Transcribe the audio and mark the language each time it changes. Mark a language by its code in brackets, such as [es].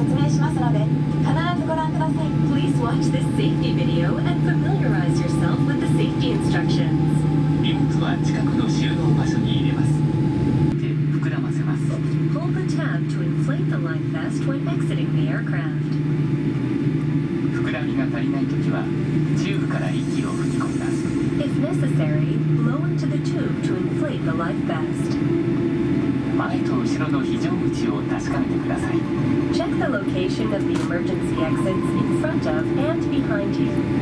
[en] Please watch this safety video and familiarize yourself with the safety instructions. [ja] 荷物は近くの収納場所に入れます。手を膨らませます。 [en] Pull the tab to inflate the life vest when exiting the aircraft. [ja] 膨らみが足りないときは、チューブから息を吹き込みます。 [en] If necessary, blow into the tube to inflate the life vest. [ja] 前と後ろの非常口を確かめてください。 [en] Check the location of the emergency exits in front of and behind you.